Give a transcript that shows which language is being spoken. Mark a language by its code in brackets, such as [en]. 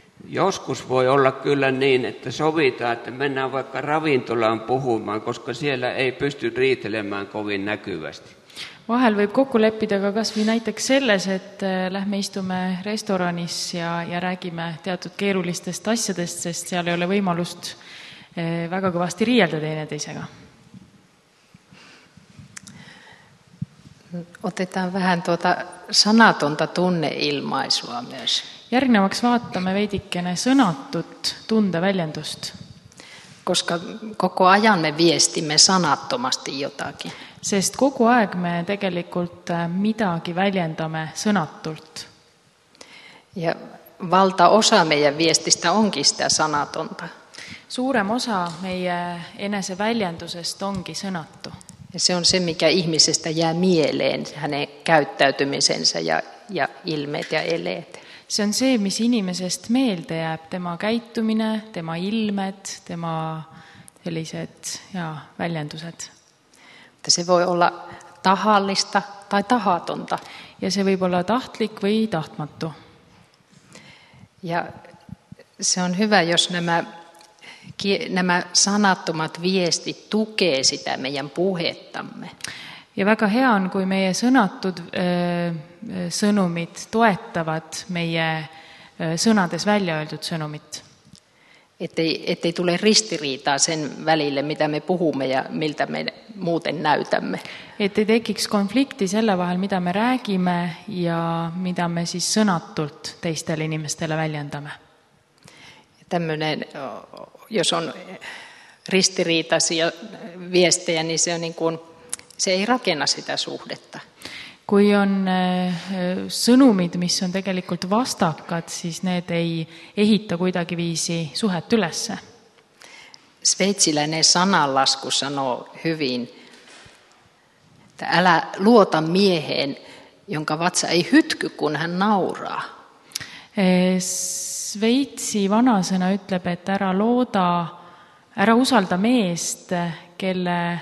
[fi] Joskus voi olla kyllä niin, että sovitaan, että mennään vaikka ravintolaan puhumaan, koska siellä ei pysty riitelemään kovin näkyvästi. [et] Vahel võib kokku leppida ka kas või näiteks selles, et lähme istume restoranis ja räägime teatud keerulistest asjadest, sest seal ei ole võimalust väga kõvasti riielda teine teisega. [fi] Otetaan vähän tuota sanatonta tunneilmaisua myös. [et] Järgnevaks vaatame veidikene sõnatut tundeväljendust. [fi] Koska koko ajan me viestimme sanattomasti jotakin. [et] Sest kogu aeg me tegelikult midagi väljendame sõnatult. [fi] Ja valta osa meidän viestistä onkin sitä sanatonta. [et] Suurem osa meie enese väljendusest onkin sõnattu. [fi] Ja se on se, mikä ihmisestä jää mieleen, hänen käyttäytymisensä ja ilmeet ja eleet. [et] See on see, mis inimesest meelde jääb, tema käitumine, tema ilmed, tema sellised ja väljendused. [fi] Se voi olla tahallista tai tahatonta. [et] Ja see võib olla tahtlik või tahtmatu. [fi] Ja se on hyvä, jos nämä sanattomat viestit tukee sitä meidän puhettamme. [et] Ja väga hea on, kui meie sõnatud sõnumid toetavad meie sõnades välja öeldud sõnumit. [fi] Et ei tule ristiriitaa sen välille, mitä me puhume ja miltä me muuten näytämme. [et] Et ei tekiks konflikti selle vahel, mida me räägime ja mida me siis sõnatult teistele inimestele väljendame. [fi] Tämmöinen, jos on ristiriitaisia viestejä, niin se on niin kuin, se ei rakenna sitä suhdetta. [et] Kui on sõnumid, mis on tegelikult vastakad, siis need ei ehita kuidagi viisi suhet ülesse. [fi] Sveitsiläinen sananlasku sanoo hyvin, että älä luota mieheen, jonka vatsa ei hytky, kun hän nauraa. [et] Sveitsi vanasõna ütleb, et ära usalda meest, kelle